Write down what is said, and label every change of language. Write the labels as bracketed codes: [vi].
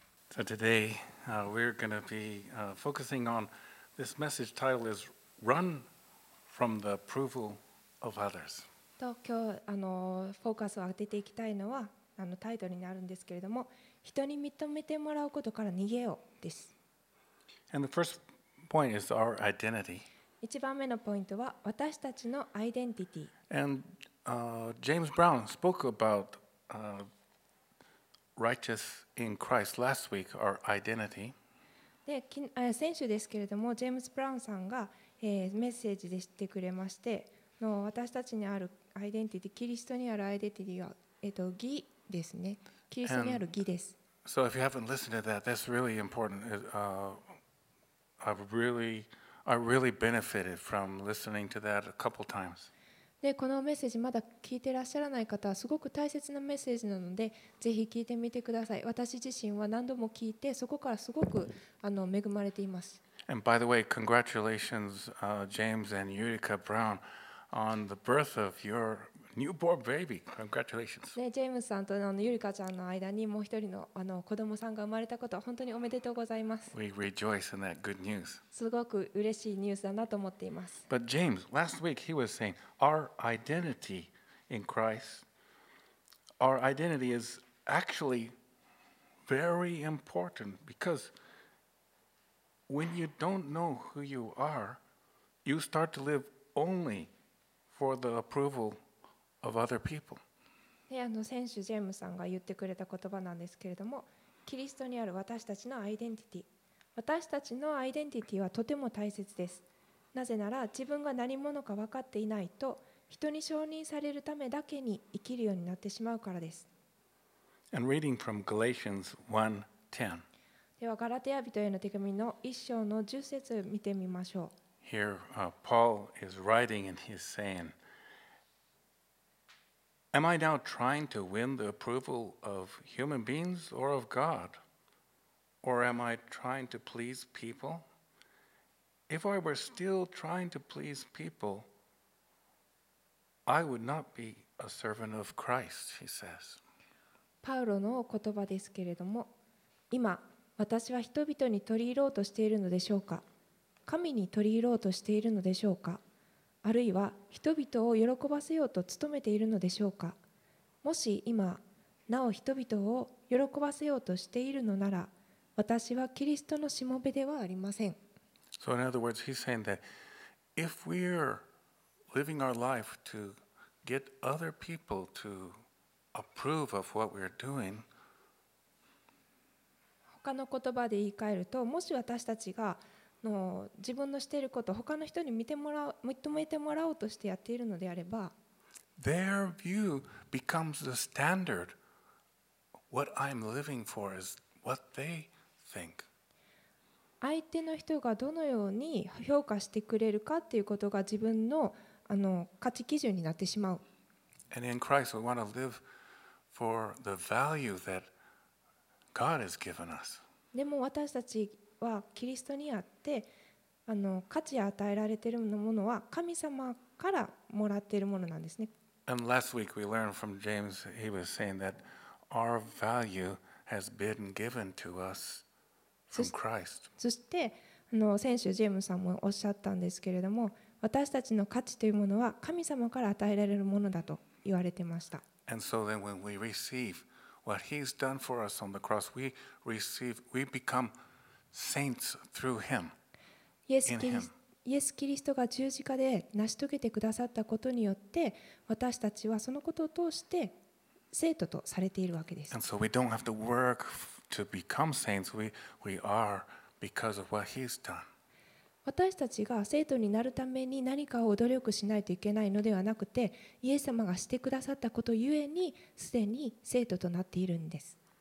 [en] So today, we're going to be focusing on this message title is Run from the Approval of Others. [ja] と今日フォーカスを当てていきたいのはタイトルになるんですけれども、人に認めてもらうことから逃げようです。 [en] And the first point is our identity. [ja] 一番目のポイントは私たちのアイデンティティ。 [en] And James Brown spoke about righteous in Christ last week, our identity. [ja] で、先週ですけれども、ジェームズ・ブラウンさんが、メッセージで知ってくれまして、の私たちにあるアイデンティティ、キリストにあるアイデンティティは、義ですね。キリストにある義です。 [en] So if you haven't listened to that, that's really important. I really benefited from listening to that a couple times. [ja] でこのメッセージまだ聞いてらっしゃらない方はすごく大切なメッセージなのでぜひ聞いてみてください。私自身は何度も聞いてそこからすごく恵まれています。 [en] And by the way, congratulations, James and Utica Brown on the birth of your newborn baby. Congratulations. [ja] ね、ジェームスさんとユリカちゃんの間にもう一人の子供さんが生まれたこと本当におめでとうございます。 [en] We rejoice in that good news. [ja] すごく嬉しいニュースだなと思っています。 [en] But James, last week he was saying our identity in Christ, our identity is actually very important because when you don't know who you are, you start to live only for the approval of other people. [ja] で、先週ジェームさんが言ってくれた言葉なんですけれども、キリストにある私たちのアイデンティティ、私たちのアイデンティティはとても大切です。なぜなら自分が何者か分かっていないと、人に承認されるためだけに生きるようになってしまうからです。 [en] And reading from Galatians 1:10. [ja] ではガラテヤ人への手紙の1章の10節を見てみましょう。 [en] Here, Paul is writing and he's saying,Am I now trying to win the approval of human beings or of God? Or am I trying to please people? If I were still trying to please people, I would not be a servant of Christ, he says. [ja] パウロの言葉ですけれども、今、私は人々に取り入ろうとしているのでしょうか？神に取り入ろうとしているのでしょうか？あるいは人々を喜ばせようと努めているのでしょうか。もし今なお人々を喜ばせようとしているのなら、私はキリストのしもべではありません。 [en] So in other words, he's saying that if we're living our life to get other people to approve of what we're doing, [ja] 他の言葉で言い換えると、もし私たちが自分のしていることを他の人に見てもらう、認めてもらおうとしてやっているのであれば、 [en] Their view becomes the standard. What I'm living for is what they think. [ja] 相手の人がどのように評価してくれるかっていうことが自分の価値基準になってしまう。 [en] And in Christ, we want to live for the value that God has given us. [ja] でも私たちはキリストにあって価値を与えられているものは神様からもらっているものなんですね。 [en] And last week we learned from James, he was saying that our value has been given to us from Christ. [ja] そして先週ジェームさんもおっしゃったんですけれども、私たちの価値というものは神様から与えられるものだと言われていました。 [en] And so then when we receive what he's done for us on the cross, we becomeSaints through him. [ja] イエス・キリストが十字架で成し遂げてくださったことによって、私たちはそのことを通して聖徒とされているわけです。 [en] And so we don't have to work to become saints. We are because of what he's done. [ja] 私たちが聖徒になるために何かを努力しないといけないのではなくて、イエス様がしてくださったことゆえにすでに聖徒となっているんです。